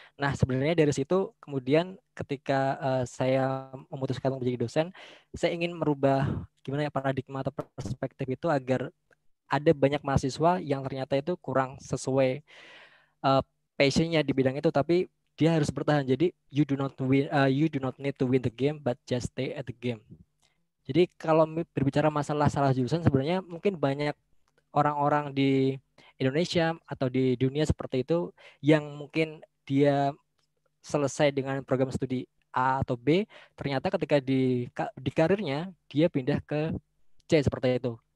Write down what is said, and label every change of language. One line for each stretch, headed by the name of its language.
Indonesian: Nah, sebenarnya dari situ kemudian ketika saya memutuskan untuk menjadi dosen, saya ingin merubah gimana ya paradigma atau perspektif itu agar ada banyak mahasiswa yang ternyata itu kurang sesuai passionnya di bidang itu, tapi dia harus bertahan. Jadi
English: you do not need to win the game, but just stay at the game.
Indonesian: Jadi kalau berbicara masalah salah jurusan, sebenarnya mungkin banyak orang-orang di Indonesia atau di dunia seperti itu yang mungkin dia selesai dengan program studi A atau B, ternyata ketika di karirnya dia pindah ke C seperti itu.